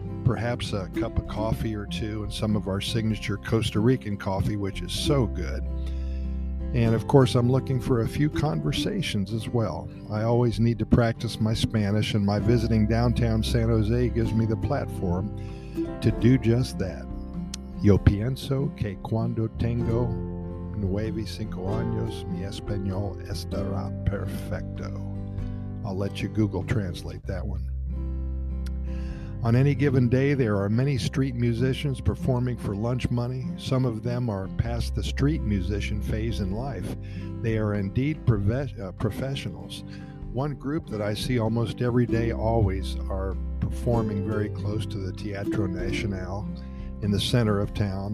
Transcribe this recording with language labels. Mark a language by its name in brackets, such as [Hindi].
[English] Perhaps a cup of coffee or two and some of our signature Costa Rican coffee, which is so good. And of course, I'm looking for a few conversations as well. I always need to practice my Spanish, and my visiting downtown San Jose gives me the platform to do just that. [Spanish] Yo pienso que cuando tengo 9 y 5 años, mi español estará perfecto. [English] I'll let you Google translate that one. On any given day, there are many street musicians performing for lunch money. Some of them are past the street musician phase in life. They are indeed professionals. One group that I see almost every day always are performing very close to the Teatro Nacional in the center of town.